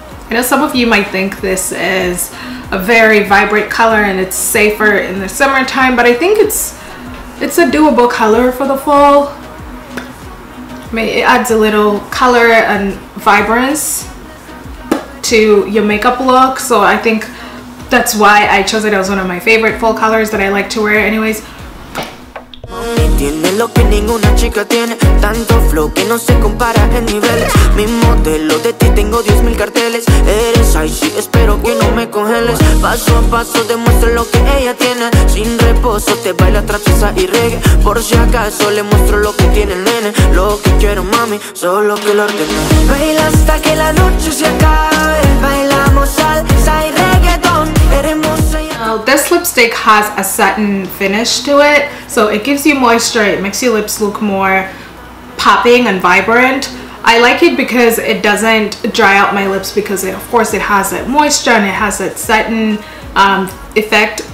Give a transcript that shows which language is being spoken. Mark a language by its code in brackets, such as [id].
[en] I know some of you might think this is a very vibrant color and it's safer in the summertime, but I think it's a doable color for the fall. I mean, it adds a little color and vibrance to your makeup look, so I think that's why I chose it. It was one of my favorite fall colors that I like to wear anyways. [es] Tiene lo que ninguna chica tiene, tanto flow que no se compara en niveles. Mi modelo de ti tengo 10,000 carteles. Eres icy, espero que no me congeles. Paso a paso demuestra lo que ella tiene. Sin reposo te baila trapeza y reggae. Por si acaso le muestro lo que tiene el nene. Lo que quiero mami, solo que lo ordené. Baila hasta que la noche se acabe. Bailamos salsa y reggaeton. Hermosa. [en] Now, this lipstick has a satin finish to it, so it gives you moisture, it makes your lips look more popping and vibrant. I like it because it doesn't dry out my lips, because it has that moisture and it has that satin effect.